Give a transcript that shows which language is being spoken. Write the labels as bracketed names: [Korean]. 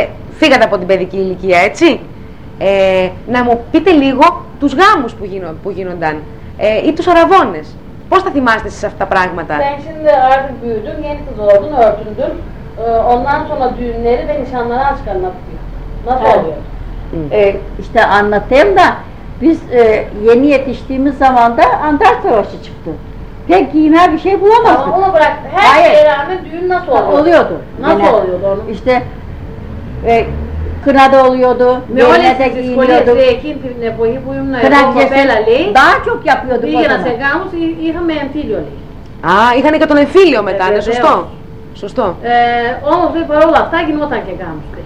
[Greek] Φύγατε από την παιδική ηλικία, έτσι. Να μου πείτε λίγο τους γάμους που γίνονταν ή τους αραβώνες. Πώς θα θυμάστε εσείς αυτά τα πράγματα. [Turkish] Ben şimdi artık büyüdüm, yeni kız oldum, örtündüm. Ondan sonra düğünleri ve nişanları açık anlatıyor. Nasıl oluyor? İşte anlatayım da, biz yeni yetiştiğimiz zamanda Antalya Savaşı çıktı. Pek giyme bir şey bulamazdık. Ama onu bırak, her şeye rağmen düğün nasıl oluyordu? Oluyordu. Nasıl yine, oluyordu onun? İşte, kına da oluyordu, meyvelerde giyiniyordu. Kına kesesi daha çok yapıyorduk o zaman. Bir yana [Greek] είχαμε εμφύλιο λέει. Α, είχαν και τον εμφύλιο μετά, είναι σωστό. Σωστό. Όμως λέει παρόλα αυτά γινόταν και γάμος.